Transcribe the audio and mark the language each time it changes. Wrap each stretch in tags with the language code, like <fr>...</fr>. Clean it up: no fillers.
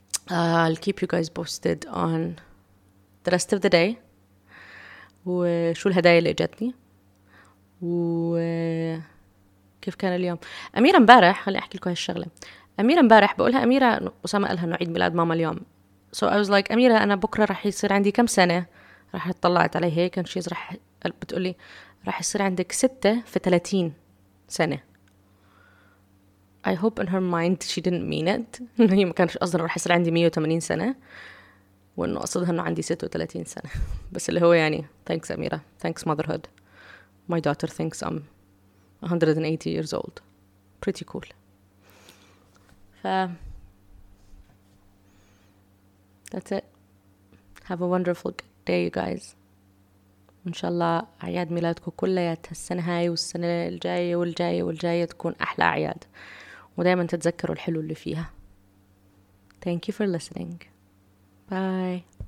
<en>I'll keep you guys posted on the rest of the day</en> <ar>وشو الهدايا اللي جاتني و كيف كان اليوم. أميرة مبارح خلي أحكي لكم هالشغلة. أميرة مبارح بقولها أميرة أسامة قالها إنه عيد ميلاد ماما اليوم</ar> <en>so I was like</en> <ar>أميرة أنا بكرة رح يصير عندي كم سنة رح اطلعت عليها هيك كان شيز رح بتقولي رح يصير عندك 36 سنة.</ar> <en>I hope in her mind she didn't mean it</en> <ar>إنه هي ما كانش قصدها رح يصير عندي 180 سنة وإنه قصدها إنه عندي 36 سنة بس اللي هو يعني</ar> <en>thanks</en> <ar>أميرة</ar> <en>thanks motherhood my daughter thinks I'm 180 years old. Pretty cool. That's it. Have a wonderful day, you guys.</en> <ar>إن شاء الله أعياد ميلادكم كلها السنة هاي والسنة الجاية والجاية والجاية تكون أحلى أعياد. ودائما تتذكروا الحلو اللي فيها.</ar> <en>Thank you for listening. Bye.</en>